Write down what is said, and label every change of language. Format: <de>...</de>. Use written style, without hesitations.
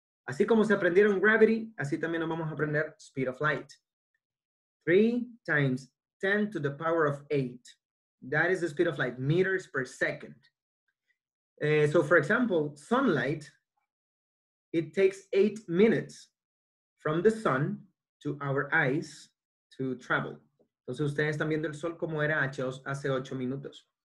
<es>Así como se aprendieron gravity, así también nos vamos a aprender speed of light.</es> <en>3 times 10 to the power of 8. That is the speed of light, meters per second. So for example, sunlight, it takes 8 minutes from the sun to our eyes to travel.</en> <es>Entonces ustedes están viendo el sol como era hace 8 minutos.</es>